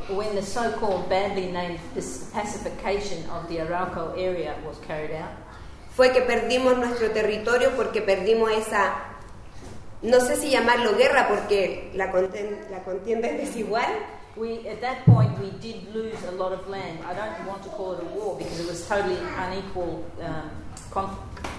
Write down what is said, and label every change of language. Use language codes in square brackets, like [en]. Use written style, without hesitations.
[en] when the so-called badly named pacification of the Arauco area was carried out, [es] fue que perdimos nuestro territorio porque perdimos esa, no sé si llamarlo guerra porque la contienda es desigual. [en] We, at that point we did lose a lot of land. I don't want to call it a war because it was totally unequal conflict.